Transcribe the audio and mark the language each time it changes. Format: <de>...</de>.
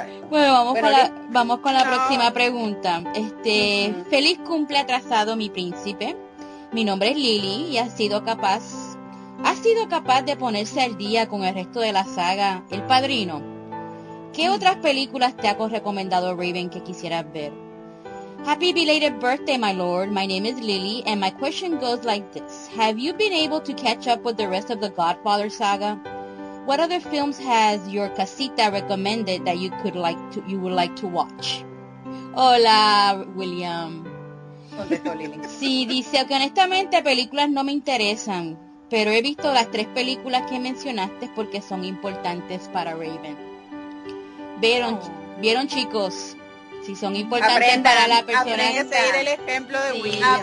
<es>Bueno, vamos con la próxima pregunta. Feliz cumple atrasado, mi príncipe. Mi nombre es Lily y ha sido capaz de ponerse al día con el resto de la saga El Padrino. ¿Qué otras películas te ha recomendado Raven que quisieras ver?</es> <en>Happy belated birthday, my lord. My name is Lily and my question goes like this. Have you been able to catch up with the rest of the Godfather saga? What other films has your casita recommended that you could like to, you would like to watch?</en> <es>Hola, William. Sí, dice que honestamente películas no me interesan, pero he visto las tres películas que mencionaste porque son importantes para Raven. ¿Vieron, chicos? Si son importantes para la persona. Aprendan a seguir el ejemplo de William.</es>